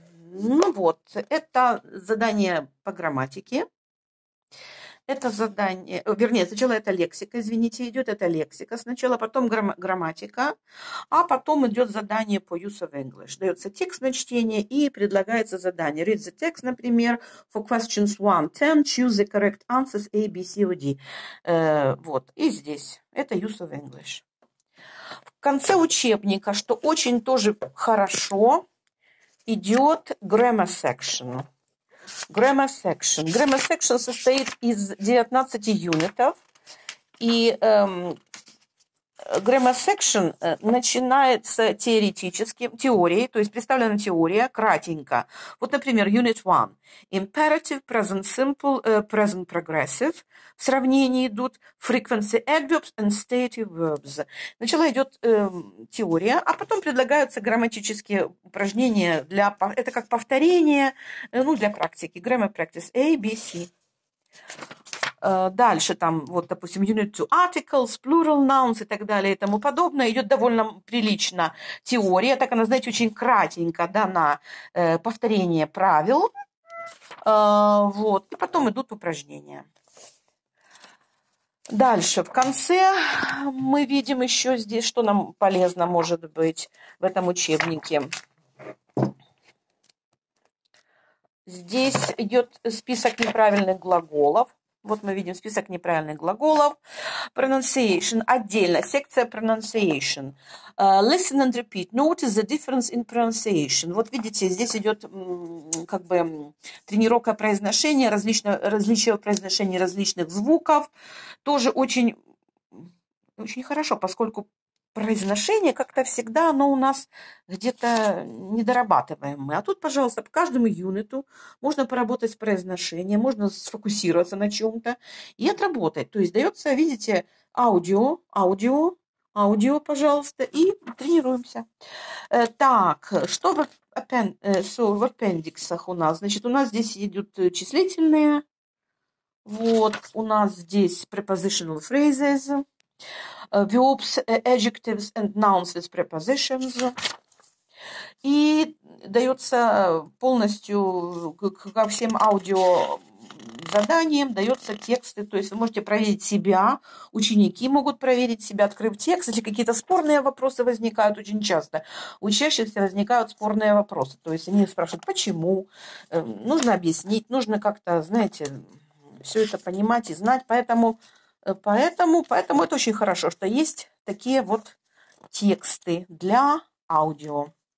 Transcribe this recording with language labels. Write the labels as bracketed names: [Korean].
[Russian] Ну вот, это задание по грамматике. Это задание, вернее, сначала это лексика, извините, идет, это лексика сначала, потом грамматика, а потом идет задание по use of English. Дается текст на чтение и предлагается задание. [English] Read the text, например, for questions 1-10, choose the correct answers A, B, C, O, D. [Russian] Вот, и здесь, это use of English. В конце учебника, что очень тоже хорошо, идет grammar section. [English] Grammar section. [Russian] Grammar section состоит из 19 юнитов. И Grammar Section начинается теорией, то есть представлена теория, кратенько. Вот, например, Unit 1. [English] Imperative, Present Simple, Present Progressive. [Russian] В сравнении идут [English] Frequency Adverbs and Stative Verbs. [Russian] Сначала идет теория, а потом предлагаются грамматические упражнения для... Это как повторение, ну, для практики. [English] Grammar Practice A, B, C. [Russian] Дальше там, вот, допустим, [English] unit to articles, plural nouns [Russian] и так далее и тому подобное. Идет довольно прилично теория, так она, знаете, очень кратенько дана повторение правил. Вот, и потом идут упражнения. Дальше, в конце мы видим еще здесь, что нам полезно может быть в этом учебнике. Здесь идет список неправильных глаголов. Вот мы видим список неправильных глаголов. Pronunciation отдельно, секция pronunciation. [English] Listen and repeat. Notice the difference in pronunciation. [Russian] Вот видите, здесь идет как бы тренировка произношения, различия в произношении различных звуков. Тоже очень, очень хорошо, поскольку произношение как-то всегда, оно у нас где-то недорабатываемое. А тут, пожалуйста, по каждому юниту можно поработать с произношением, можно сфокусироваться на чем-то и отработать. То есть дается, видите, аудио, аудио, аудио, пожалуйста, и тренируемся. Так, что в аппендиксах у нас? Значит, у нас здесь идут числительные. Вот, у нас здесь prepositional phrases. [English] Verbs, adjectives and nouns with prepositions. [Russian] И дается полностью ко всем аудио заданиям, дается тексты, то есть вы можете проверить себя, ученики могут проверить себя, открыв текст. Если какие-то спорные вопросы возникают очень часто, у учащихся возникают спорные вопросы, то есть они спрашивают, почему, нужно объяснить, нужно как-то, знаете, все это понимать и знать, поэтому поэтому это очень хорошо, что есть такие вот тексты для аудио.